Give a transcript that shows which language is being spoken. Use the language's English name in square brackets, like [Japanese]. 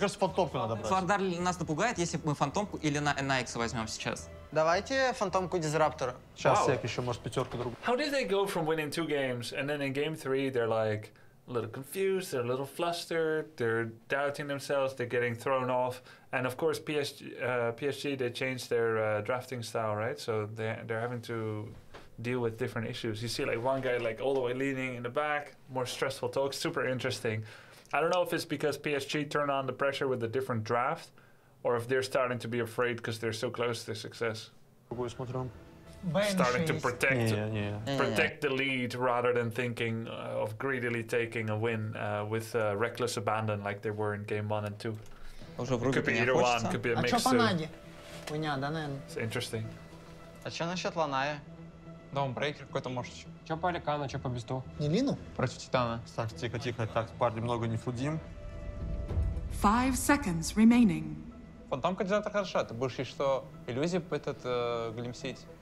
[Russian] кажется, фантомку надо брать. Флардар нас напугает, если мы фантомку или на NX возьмем сейчас. Давайте фантомку дизраптора. Сейчас wow. Сек еще, может, пятерку другу. [English] How did they go from winning two games, and then in game three they're like a little confused, they're a little flustered, they're doubting themselves, they're getting thrown off, and of course PSG they changed their drafting style, right? So they're having to deal with different issues. You see like one guy like all the way leaning in the back, more stressful talk, super interesting. I don't know if it's because PSG turned on the pressure with a different draft, or if they're starting to be afraid because they're so close to success. Starting to protect the lead rather than thinking of greedily taking a win with reckless abandon like they were in game one and two. It could be either one, could be a mix too. It's interesting. [Russian] А что насчет Ланая? Даунбрейкер какой-то может. Че по Аликану, че по Бесту? Не Лину? Против Титана. Так, тихо. Так, парни, много не флудим. [English] 5 seconds remaining. [Russian] Фантом кандидата хороша. Ты будешь ей что, иллюзию этот глимсить?